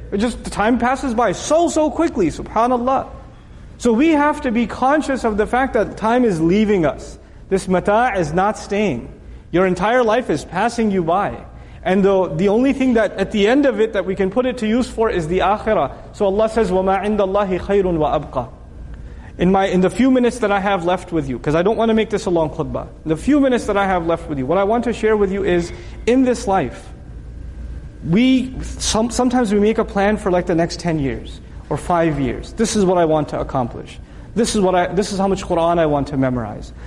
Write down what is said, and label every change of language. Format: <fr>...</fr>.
<en>The time passes by so quickly, subhanAllah. So we have to be conscious of the fact that time is leaving us. This mata' is not staying. Your entire life is passing you by. And the only thing that at the end of it that we can put it to use for is the akhirah. So Allah says,</en> <ar>وَمَا عِنْدَ اللَّهِ خَيْرٌ وَأَبْقَى.</ar> <en>In the few minutes that I have left with you, because I don't want to make this a long khutbah. In the few minutes that I have left with you, what I want to share with you is, in this life, sometimes we make a plan for like the next 10 years. Or 5 years. This is what I want to accomplish. This is how much Quran I want to memorize.</en>